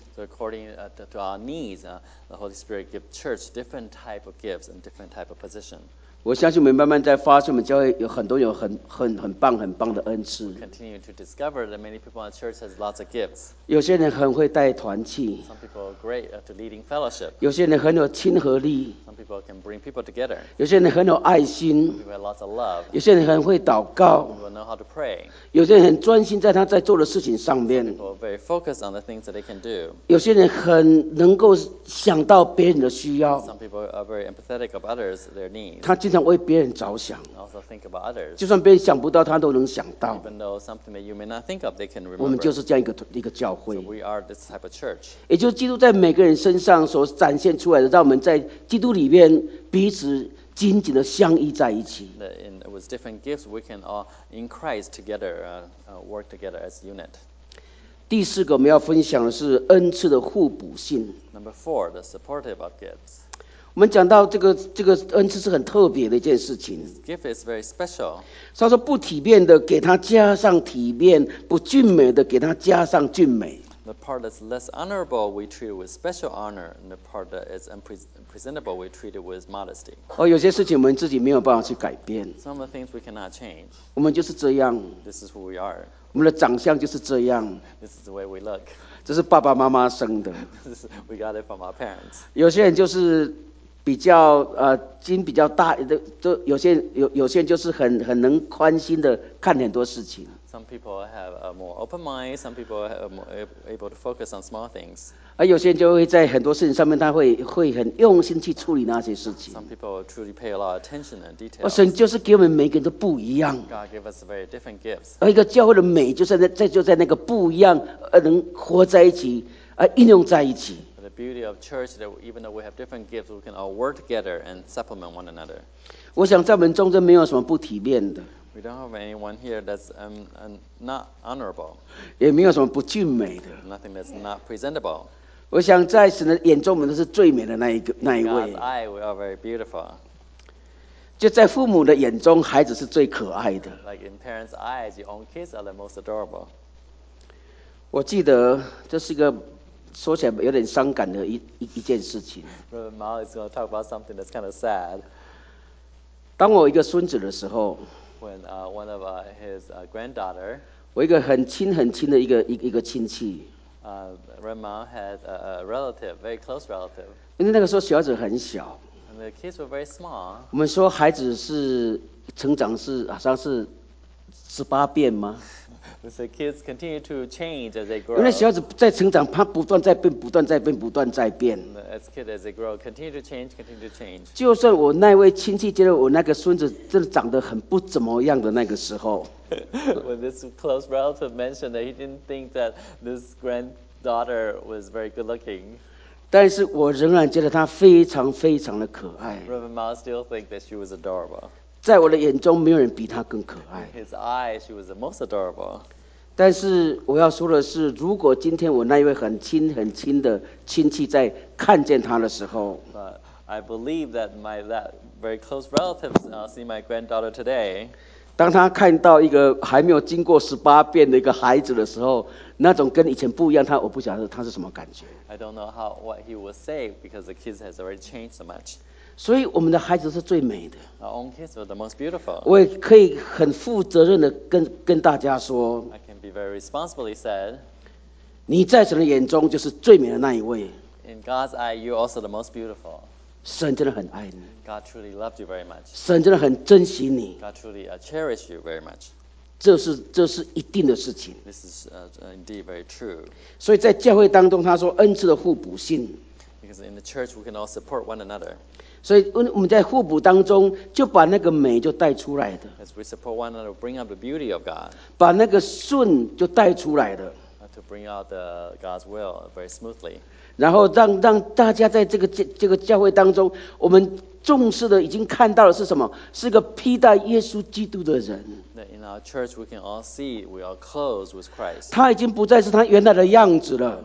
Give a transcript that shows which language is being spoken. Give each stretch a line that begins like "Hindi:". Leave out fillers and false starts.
English: So according to our needs, the Holy Spirit gives church different type of gifts and different type of position.
Chinese: 我相信我们慢慢在发现我们教会有很多有 很棒的恩赐。
English: We continue to discover that many people in the church has lots of gifts.
Chinese: 有些人很会带团契。
English: Some people are great at leading fellowship.
Chinese: 有些人很有亲和力。
English: Some people can bring people together.
Chinese: 有些人很有爱心。
English: Some people have lots of love.
Chinese: 有些人很会祷告。
English: Some people know how to pray.
Chinese: 有些人很专心在他在做的事情上面。
English: Some people are very focused on the things that they can do.
Chinese: 有些人很能够想到别人的需要。
English: Some people are very empathetic of others, their needs.
Chinese: 他经常为别人着想，
English: also think about others.
Chinese: 就算别人想不到，他都能想到。
English: Even though something that you may not think of, they can remember.
Chinese: 我们就是这样一个教会。
English: So we are this type of church.
Chinese: 也就是基督在每个人身上所展现出来的，让我们在基督里面彼此紧紧的相依在一起。
English: And with different gifts, we can all in Christ together, work together as a unit.
Chinese: 第四个我们要分享的是恩赐的互补性。
English: Number four, the supportive of gifts.
Chinese: 我们讲到这个恩赐是很特别的一件事情。
English: Gift is very special.
Chinese: 他说不体面的给他加上体面，不俊美的给他加上俊美。
English: The part that's less honorable we treat with special honor, and the part that is unpresentable we treat it with modesty.
Chinese: 哦，有些事情我们自己没有办法去改变。
English: Some of the things we cannot change.
Chinese: 我们就是这样。
English: This is who we are.
Chinese: 我们的长相就是这样。
English: This is the way we look.
Chinese: 这是爸爸妈妈生的。
English: We got it from our parents.
Chinese: 有些人就是。比较筋比较大的，有些人就是很能宽心的看很多事情。
English: Some people have a more open mind. Some people are more able to focus on small things.
Chinese: 而有些人就会在很多事情上面，他会很用心去处理那些事情。
English: Some people truly pay a lot of attention and detail.
Chinese: 神就是给我们每个人都不一样。
English: God gave us very different gifts.
Chinese: 而一个教会的美就在那个不一样，能活在一起，应用在一起。
English: The beauty of church that even though we have different gifts, we can all work together and supplement one another.
Chinese: 我想在我们中间没有什么不体面的。
English: We don't have anyone here that's not honorable.
Chinese: 也没有什么不俊美的。
English: Nothing that's not presentable.
Chinese: 我想在神的眼中，我们都是最美的那一位。
English: God's eye, we are very beautiful.
Chinese: 就在父母的眼中，孩子是最可爱的。
English: Like in parents' eyes, your own kids are the most adorable.
Chinese: 我记得这是一个。说起来有点伤感的一件事情。
English: Brother Mao is going to talk about something that's kind of sad.
Chinese: 当我一个孙子的时候
English: ，when one of his granddaughter，
Chinese: 我一个很亲的一个亲戚。
English: Brother Mao had a relative, very close relative.
Chinese: 因为那个时候小孩子很小。
English: And the kids were very small.
Chinese: 我们说孩子是成长是好像是十八变吗？
English: We say kids continue to change as they grow.
Chinese: 因为小孩子在成长，他不断在变，不断在变，不断在变。
English: As kids as they grow, continue to change, continue to change.
Chinese: 就算我那位亲戚觉得我那个孙子真的长得很不怎么样的那个时候
English: ，When this close relative mentioned that he didn't think that this granddaughter was very good looking.
Chinese: 但是我仍然觉得她非常非常的可爱。
English: Reverend Ma still think that she was adorable.
Chinese: 在我的眼中，没有人比她更可爱。
English: In his eyes, she was the most adorable.
Chinese: 但是我要说的是，如果今天我那一位很亲很亲的亲戚在看见她的时候
English: ，But I believe that that very close relatives see my granddaughter today.
Chinese: 当她看到一个还没有经过十八变的一个孩子的时候，那种跟以前不一样，我不晓得她是什么感觉。
English: I don't know how what he would say because the kids has already changed so much.
Chinese: 所以我们的孩子是最美的。
English: Our own kids are the most beautiful.
Chinese: 我也可以很负责任的跟大家说。
English: I can be very responsibly said.
Chinese: 你在神的眼中就是最美的那一位。
English: In God's eye, you're also the most beautiful.
Chinese: 神真的很爱你。
English: God truly loved you very much.
Chinese: 神真的很珍惜你。
English: God truly cherish you very much.
Chinese: 这是一定的事情。
English: This is indeed very true.
Chinese: 所以在教会当中，他说恩赐的互补性。
English: Because in the church, we can all support one another.
Chinese: 所以我们在互补当中就把那个美就带出来的
English: As we support one another, bring up the beauty of God.
Chinese: 把那个顺就带出来的
English: To bring out the God's will very smoothly.
Chinese: 然后让大家在这个教会当中我们重视的已经看到的是什么是个披戴耶稣基督的人
English: In our church, we can all see we are clothed with Christ.
Chinese: 他已经不再是他原来的样子了